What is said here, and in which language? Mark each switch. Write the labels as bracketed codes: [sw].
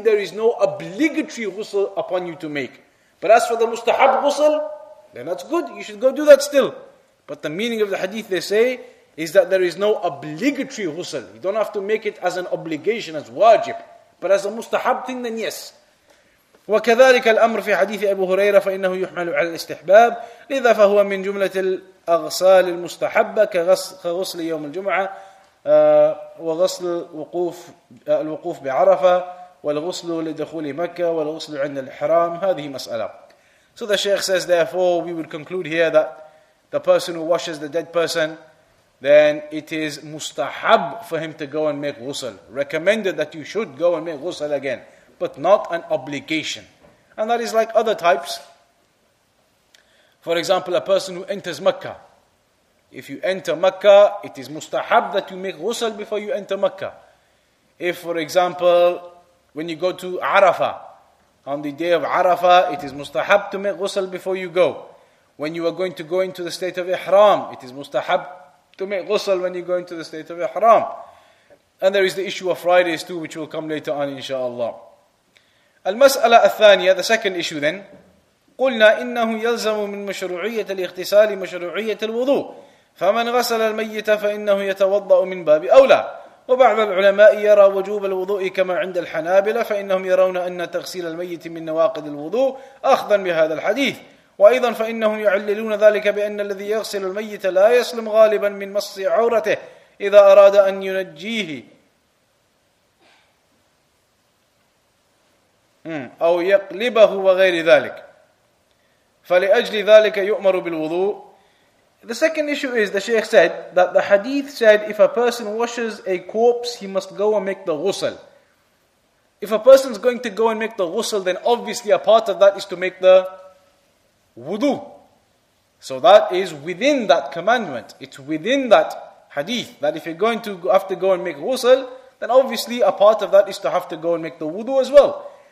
[en] there is no obligatory ghusl upon you to make. But as for the mustahab ghusl, then that's good. You should go do that still. But the meaning of the hadith, they say, is that there is no obligatory ghusl. You don't have to make it as an obligation, as wajib. But as a mustahab thing, then yes. [ar] وكذلك الأمر في حديث أبو هريرة فإنه يحمل على الاستحباب لذا فهو من جملة الأغسال المستحبة كغسل يوم الجمعة وغسل الوقوف بعرفة والغسل لدخول مكة والغسل عند الحرام هذه مسألة. [en] So the Sheikh says, therefore we will conclude here that the person who washes the dead person then it is mustahab for him to go and make ghusl. Recommended that you should go and make ghusl again, but not an obligation. And that is like other types. For example, a person who enters Makkah. If you enter Makkah, it is mustahab that you make ghusl before you enter Makkah. If, for example, when you go to Arafah, on the day of Arafah, it is mustahab to make ghusl before you go. When you are going to go into the state of Ihram, it is mustahab to make ghusl when you go into the state of Ihram. And there is the issue of Fridays too, which will come later on, inshaAllah. [ar] Al-mas'ala al-thaniya, [en] the second issue then. [ar] قُلْنَا إِنَّهُ يَلْزَمُ مِنْ مَشْرُعِيَّةَ الْإِغْتِسَالِ مَشْرُعِيَّةَ الْوُضُوءِ فَمَنْ غَسَلَ الْمَيِّتَ فَإِنَّهُ يَتَوَضَّأُ مِنْ بَابِ أَوْلَى وبعض العلماء يرى وجوب الوضوء كما عند الحنابلة فإنهم يرون أن تغسيل الميت من نواقض الوضوء أخذا بهذا الحديث وأيضا فإنهم يعللون ذلك بأن الذي يغسل الميت لا يسلم غالبا من مص عورته إذا أراد أن ينجيه أو يقلبه وغير ذلك فلأجل ذلك يؤمر بالوضوء. [en] The second issue is, the Shaykh said, that the hadith said, if a person washes a corpse, he must go and make the ghusl. If a person is going to go and make the ghusl, then obviously a part of that is to make the wudu. So that is within that commandment. It's within that hadith, that if you're going to have to go and make ghusl, then obviously a part of that is to have to go and make the wudu as well.